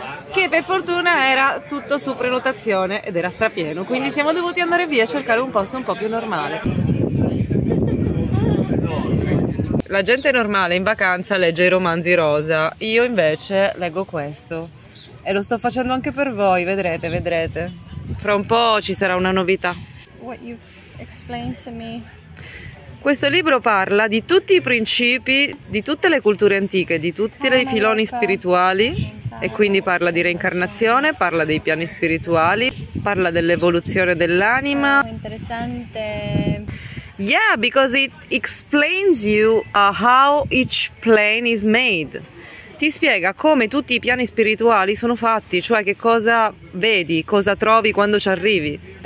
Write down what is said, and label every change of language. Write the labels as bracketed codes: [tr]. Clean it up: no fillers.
[it] Che per fortuna era tutto su prenotazione ed era strapieno, quindi siamo dovuti andare via a cercare un posto un po' più normale. La gente normale in vacanza legge i romanzi rosa, io invece leggo questo. E lo sto facendo anche per voi, vedrete, vedrete. Fra un po' ci sarà una novità. [en] What you explained to me. [it] Questo libro parla di tutti i principi di tutte le culture antiche, di tutti i filoni spirituali, e quindi parla di reincarnazione, parla dei piani spirituali, parla dell'evoluzione dell'anima. Oh, interessante. [en] Yeah, because it explains you how each plane is made. [it] Ti spiega come tutti i piani spirituali sono fatti, cioè che cosa vedi, cosa trovi quando ci arrivi.